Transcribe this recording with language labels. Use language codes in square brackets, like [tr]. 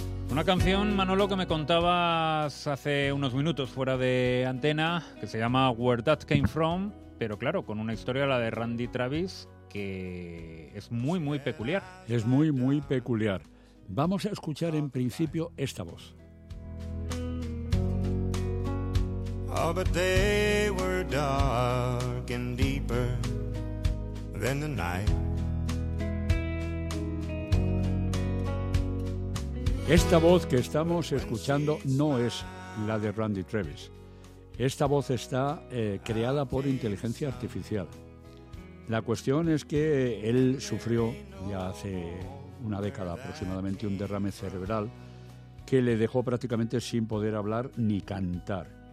[es] Una canción, Manolo, que me contabas hace unos minutos fuera de antena, que se llama Where That Came From, pero claro, con una historia, la de Randy Travis, que es muy, muy peculiar. Es muy, muy peculiar. Vamos a escuchar en principio esta voz. [en] Oh, but they were dark and deeper than the night. [es] Esta voz que estamos escuchando no es la de Randy Travis. Esta voz está creada por inteligencia artificial. La cuestión es que él sufrió ya hace una década aproximadamente, un derrame cerebral que le dejó prácticamente sin poder hablar ni cantar.